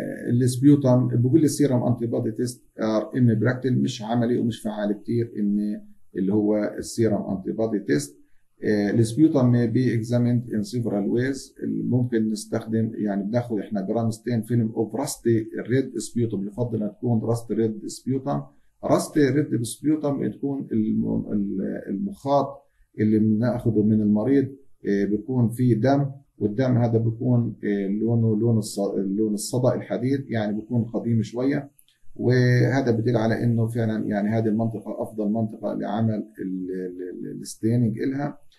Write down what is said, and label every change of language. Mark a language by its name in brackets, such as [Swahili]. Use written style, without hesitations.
[Arabic] السبيوتم بقول لي [English] السيرم انتي بادي تيست ار ام براكتين، [Arabic] مش عملي ومش فعال كثير ان اللي هو السيرم انتي بادي تيست. [English] السبيوتم may be examined in several ways. [Arabic] ممكن نستخدم يعني بناخذ احنا [English] gram stain film of rusty red sputum, [Arabic] بفضل انها تكون راستي ريد سبيوتم. راستي ريد سبيوتم تكون المخاط اللي بناخذه من المريض بيكون فيه دم، والدم هذا بيكون لونه لون الصدأ الحديد، يعني بيكون قديم شويه، وهذا بدل على انه فعلا يعني هذه المنطقه افضل منطقه لعمل الستيننج الها.